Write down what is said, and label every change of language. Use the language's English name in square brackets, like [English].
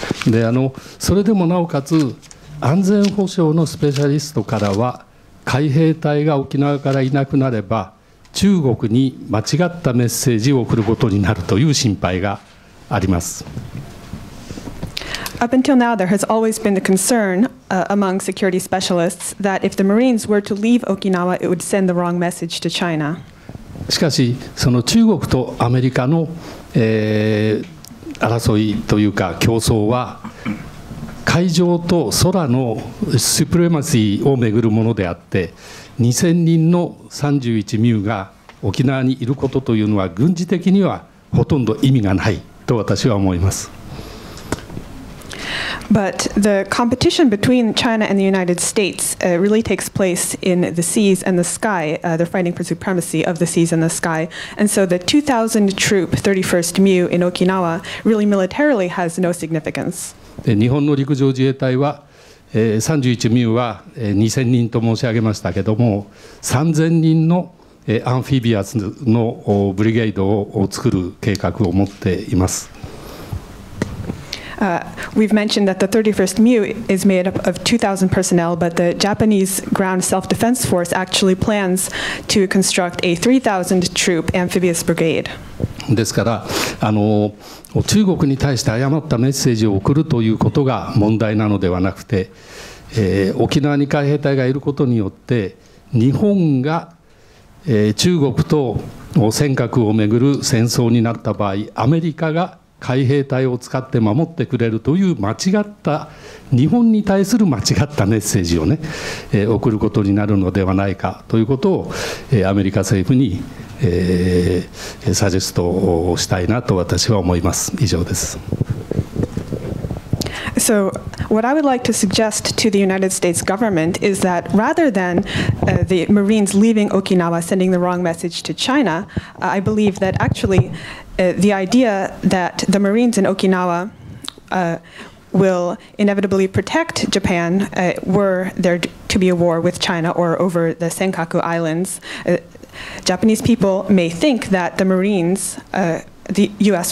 [Japanese] で、それでもなおかつ安全保障のスペシャリストからは海兵隊が沖縄からいなくなれば中国に間違ったメッセージを送ることになるという心配があります。 [English] Up until now, there has always been the concern, among security specialists that if the Marines were to leave Okinawa, it would send the wrong message to China. [Japanese] しかし、その中国とアメリカの、争いというか競争は海上と空のスプレマシーをめぐるものであって、2000人の31ミューが沖縄にいることというのは軍事的にはほとんど意味がないと私は思います。 [English] But the competition between China and the United States, really takes place in the seas and the sky, the fighting for supremacy of the seas and the sky. And so the 2,000 troop 31st Mew in Okinawa really militarily has no significance. [Japanese] 日本の陸上自衛隊は、31ミューは、2000人と申し上げましたけども、3000人の、アンフィビアスのブリゲードを作る計画を持っています。 [English] We've mentioned that the 31st Mew is made up of 2,000 personnel, but the Japanese Ground Self-Defense Force actually plans to construct a 3,000 troop amphibious brigade. [Japanese] ですから、中国に対して誤ったメッセージを送るということが問題なのではなくて、沖縄に海兵隊がいることによって、日本が、中国と尖閣をめぐる戦争になった場合、アメリカが海兵隊を使って守ってくれるという間違った日本に対する間違ったメッセージをね、送ることになるのではないかということを、アメリカ政府に、サジェストをしたいなと私は思います。以上です。 [English] So, what I would like to suggest to the United States government is that rather than, the Marines leaving Okinawa sending the wrong message to China, I believe that actually, the idea that the Marines in Okinawa, will inevitably protect Japan, were there to be a war with China or over the Senkaku Islands, Japanese people may think that the Marines, the U.S.